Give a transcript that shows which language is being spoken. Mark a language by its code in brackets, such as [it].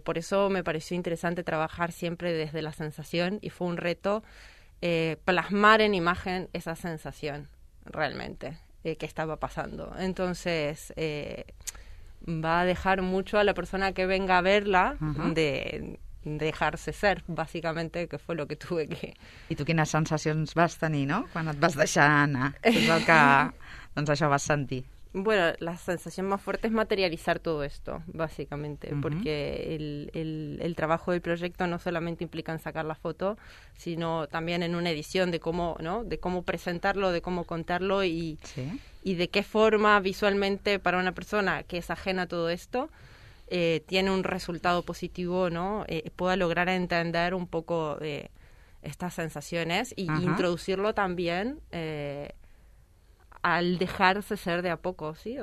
[es] Por eso me pareció interesante trabajar siempre desde la sensación y fue un reto plasmar en imagen esa sensación realmente que estaba pasando. Entonces, va a dejar mucho a la persona que venga a verla de dejarse ser, básicamente, que fue lo que tuve que... [ca] I tu quines sensacions vas tenir, no?, quan et vas deixar anar, que és el que, doncs, això vas sentir. [es] Bueno, la sensación más fuerte es materializar todo esto, básicamente, porque el trabajo del proyecto no solamente implica en sacar la foto, sino también en una edición de cómo, ¿no?, de cómo presentarlo, de cómo contarlo y de qué forma visualmente para una persona que es ajena a todo esto tiene un resultado positivo, ¿no?, pueda lograr entender un poco estas sensaciones y introducirlo también al dejarse ser de a poco, ¿sí?